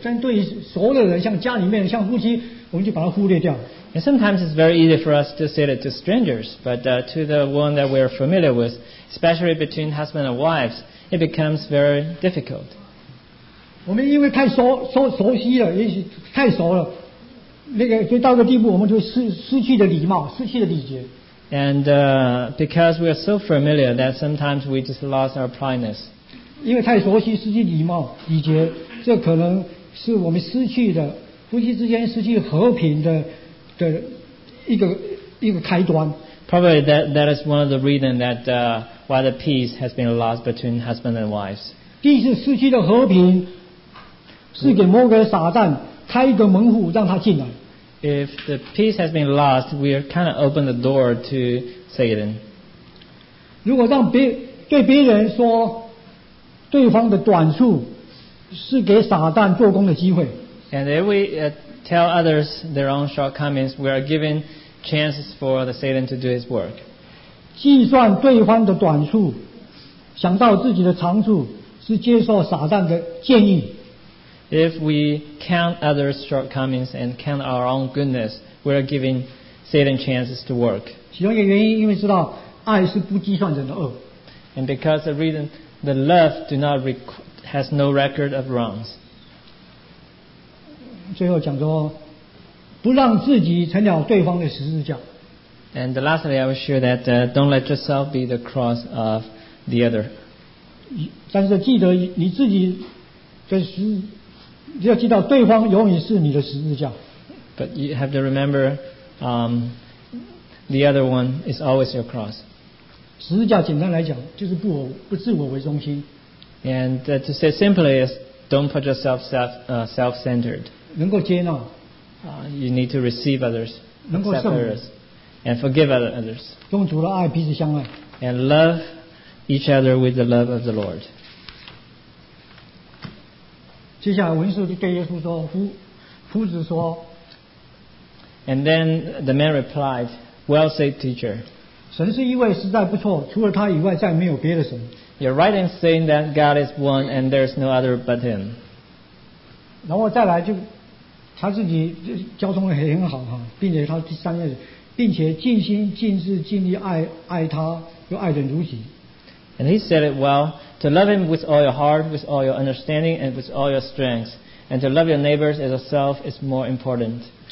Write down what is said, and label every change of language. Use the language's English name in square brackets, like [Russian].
[Chinese] 但对于熟的人，像家里面，像夫妻，我们就把它忽略掉。 [English] And sometimes it's very easy for us to say it to strangers, but to the one that we're familiar with, especially between husband and wives, it becomes very difficult. [Chinese] 我们因为太熟悉了，也许太熟了，那个所以到个地步，我们就失去了礼貌，失去了礼节。 [English] And because we are so familiar that sometimes we just lost our politeness. [Chinese] 因为太熟悉失去礼貌礼节，这可能是我们失去的夫妻之间失去和平的一个开端。 [English] Probably that is one of the reasons that why the peace has been lost between husband and wives. [Chinese] 第一次失去的和平，是给魔鬼撒旦开一个门户让他进来。 [English] If the peace has been lost, we are kind of open the door to Satan. [Chinese] 如果让对别人说对方的短处是给撒旦做工的机会。 [English] And if we tell others their own shortcomings, we are giving chances for the Satan to do his work. [Chinese] 计算对方的短处，想到自己的长处，是接受撒旦的建议。 [English] If we count others' shortcomings and count our own goodness, we are giving Satan chances to work. [Chinese] 其中一个原因，因为知道爱是不计算人的恶。 [English] And because the reason the love do not has no record of wrongs. [Chinese] 最后讲说，不让自己成了对方的十字架。 [English] And lastly, I will share that don't let yourself be the cross of the other. [Chinese] 但是记得你自己的十。你要知道，对方永远是你的十字架。 [English] But you have to remember, the other one is always your cross. [Chinese] 十字架简单来讲就是不自我为中心。 [English] And to say simply is don't put yourself self-centered. [Chinese] 能够接纳。 [English] You need to receive others. [Chinese] 能够赦免。 [English] And forgive others. [Chinese] 用主的爱彼此相爱。 [English] And love each other with the love of the Lord. [Chinese] 接下来文士就对耶稣说 夫子说 [English] And then the man replied Well said teacher [Chinese] 神是一位实在不错除了他以外再没有别的神 [English] You're right in saying that God is one and there's no other but him [Chinese] 然后再来就他自己交通也很好并且他第三页并且尽心尽智尽力爱他又爱人如己 [English] And he said it wellTo love him with all your heart, with all your understanding, and with all your strength. And to love your neighbors as yourself is more important.